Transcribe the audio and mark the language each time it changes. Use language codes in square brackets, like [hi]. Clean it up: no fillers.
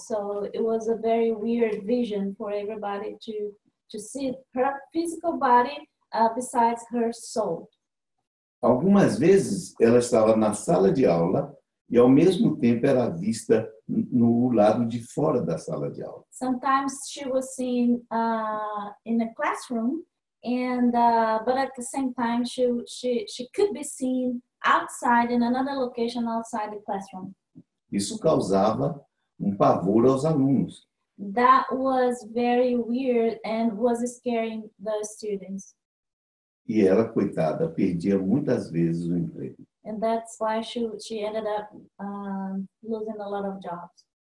[en] So it was a very weird vision for everybody to see her physical body besides her soul. [pt] Algumas vezes ela estava na sala de aula e ao mesmo tempo era vista no lado de fora da sala de aula. [en] Sometimes she was seen in a classroom. And but at the same time she could be seen outside in another location outside the classroom. [pt] Isso causava um pavor aos alunos. [en] That was very weird and was scaring the students. [pt] E ela, coitada, perdia muitas vezes o emprego. [en] And that's why she ended up losing a lot of jobs.